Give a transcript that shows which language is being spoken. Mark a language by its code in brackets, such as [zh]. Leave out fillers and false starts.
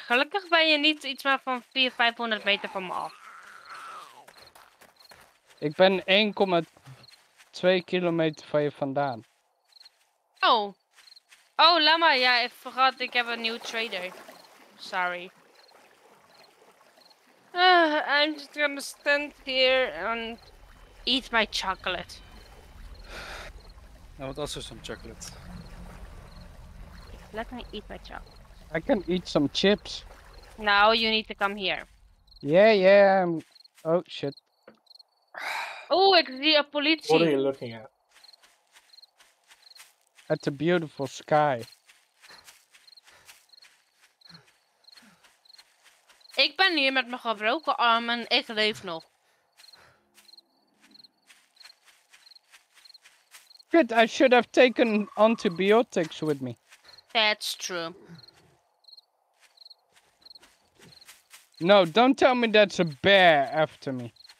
[nl] Gelukkig ben je niet iets meer van 400-500 meter van me af. Ik ben 1,2 kilometer van je vandaan. Oh. Oh, Lama, ja, ik vergat, ik heb een nieuw trader. Sorry. [en] I'm just gonna stand here and eat my chocolate. I want also some chocolate. Let me eat my chocolate. I can eat some chips. Now you need to come here. Yeah, I'm... Oh, shit. Oh, I can see a police. What are you looking at? At the beautiful sky. [nl] Ik ben hier met mijn gebroken arm en ik leef nog. [en] Shit, I should have taken antibiotics with me. That's true. No, don't tell me that's a bear after me.